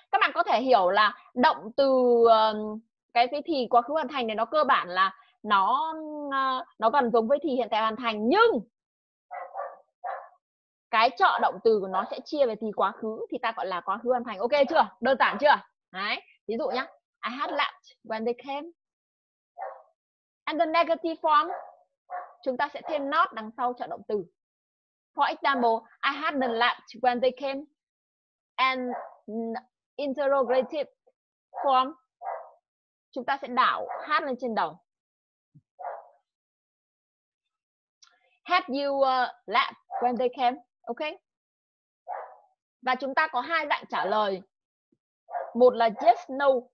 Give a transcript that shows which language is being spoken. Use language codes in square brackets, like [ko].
[vi] Các bạn có thể hiểu là động từ cái thì quá khứ hoàn thành này nó cơ bản là nó gần giống với thì hiện tại hoàn thành, nhưng cái trợ động từ của nó sẽ chia về thì quá khứ thì ta gọi là quá khứ hoàn thành. Ok chưa? Đơn giản chưa? Đấy. Ví dụ nhá. [en] I had lunch when they came. And the negative form, [vi] chúng ta sẽ thêm not đằng sau trợ động từ. [en] For example, I had the lunch when they came. And interrogative form, [vi] chúng ta sẽ đảo had lên trên đầu. [en] Had you lunch when they came? [vi] Ok. Và chúng ta có hai dạng trả lời. Một là yes, no.